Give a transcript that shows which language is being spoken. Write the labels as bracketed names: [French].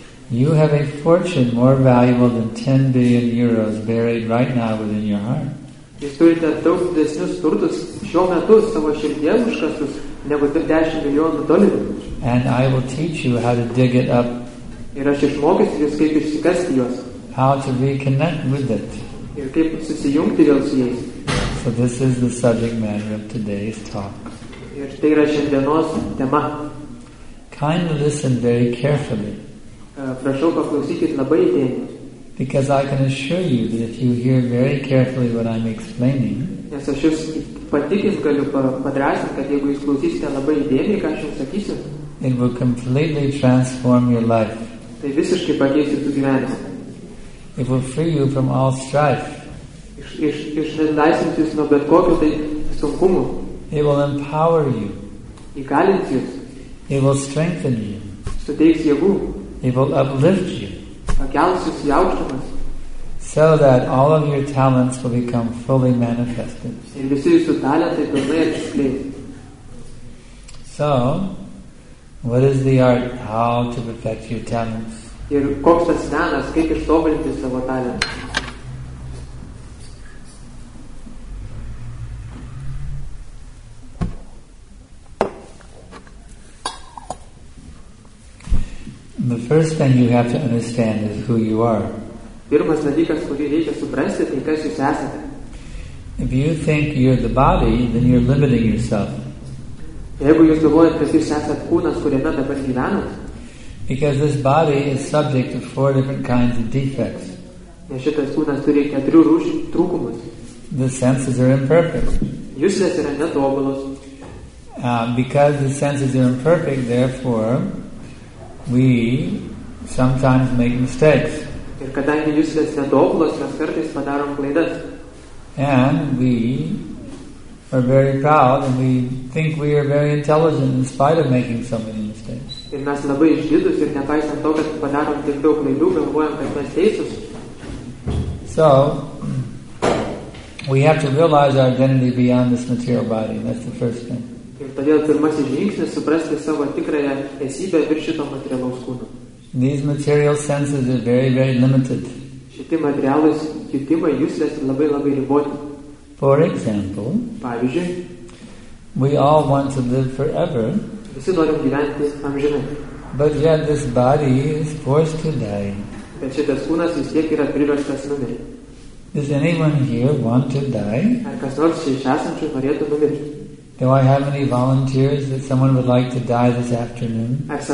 [English] You have a fortune more valuable than 10 billion euros buried right now within your heart. [Lithuanian] Jūs turite daug didesnius turtus šiuo metu savo širdyje užkastus negu 10 milijonų dolerių. [English] And I will teach you how to dig it up. [Lithuanian] Ir aš išmokysiu jūs kaip išsikasti juos. [English] How to reconnect with it. [Lithuanian] Ir kaip susijungti vėl su jais. [English] So this is the subject matter of today's talk. [Lithuanian] Ir tai yra šiandienos tema. [English] Kindly listen very carefully. [Lithuanian] Prašau paklausykit labai įdėmiai. [English] Because I can assure you that if you hear very carefully what I'm explaining, yes, [Lithuanian] aš jūs patikins galiu padrasinti, kad jeigu jūs klausysite labai įdėmiai, ką aš jums sakysiu, [English] it will completely transform your life. [Lithuanian] Tai visiškai pakeis jūsų gyvenimą. [English] It will free you from all strife. [Lithuanian] Išlaisvins jūs nuo bet kokio tai sunkumų. [English] It will empower you. [Lithuanian] Įgalins jūs. [English] It will strengthen you. [Lithuanian] Suteiks jėgų. [English] It will uplift you. [Lithuanian] kelsius į aukštumas. [English] So that all of your talents will become fully manifested. [Lithuanian] Ir visi jūsų talentai pilnai atsiskleis. [English] So, what is the art? How to perfect your talents? [Lithuanian] Ir koks tas menas, kaip ištobulinti savo talentą? [English] The first thing you have to understand is who you are. [Lithuanian] Pirmas dalykas, kurį reikia suprasti, tai kas jūs esate. [English] If you think you're the body, then you're limiting yourself. [Lithuanian] Jeigu jūs galvojate, kad jūs esate kūnas, kuriame dabar gyvenate. [English] Because this body is subject to four different kinds of defects. [Lithuanian] Nes šitas kūnas turi keturių rūšių trūkumus. [English] The senses are imperfect. [Lithuanian] Juslės yra netobulos. [English] Because the senses are imperfect, therefore we sometimes make mistakes. [Lithuanian] Ir kadangi juslės netobulos, mes kartais padarom klaidas. [English] And we are very proud and we think we are very intelligent in spite of making so many mistakes. [Lithuanian] Ir mes labai išdidus ir nepaisant to, kad padarom tiek daug klaidų, galvojam, kad mes teisūs. [English] So, we have to realize our identity beyond this material body. That's the first thing. [Lithuanian] Ir todėl pirmasis žingsnis suprasti savo tikrąją esybę virš šito materialaus kūno. [English] These material senses are very, very limited. [Lithuanian] Šitie materialūs jutimai, juslės labai, labai riboti. [English] For example, [Lithuanian] pavyzdžiui, [English] we all want to live forever. [Lithuanian] Visi norim gyventi amžinai. [English] But yet this body is forced to die. [Lithuanian] Bet šitas kūnas vis tiek yra priverstas numirti. [English] Does anyone here want to die? [Lithuanian] Ar kas nors čia iš esančių norėtų numirti? [English] Do I have any volunteers that someone would like to die this afternoon?